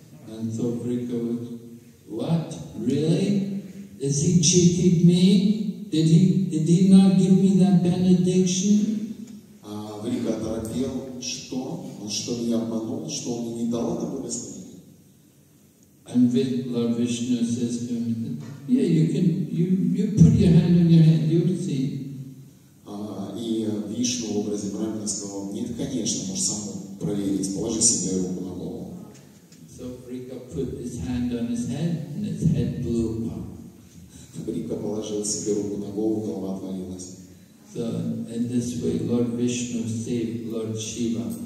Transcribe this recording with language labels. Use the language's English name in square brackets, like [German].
[English] And so Vrika went, what? Really? Has he cheated me? Did he not give me that benediction? [Russian] Vrika торопел, что? Он что, меня обманул? Что, он мне не дал это благословение? [English] And Lord Vishnu says to him, yeah, you put your hand on your head, you'll see. [Russian] И Вишну в образе Брамана сказал, нет, конечно, можешь сам проверить, положи себе руку на голову. [English] So Vrika put his hand on his head, and his head blew up. [Russian] Vrika положил себе руку на голову, голова отвалилась. [English] So in this way, Lord Vishnu saved Lord Shiva.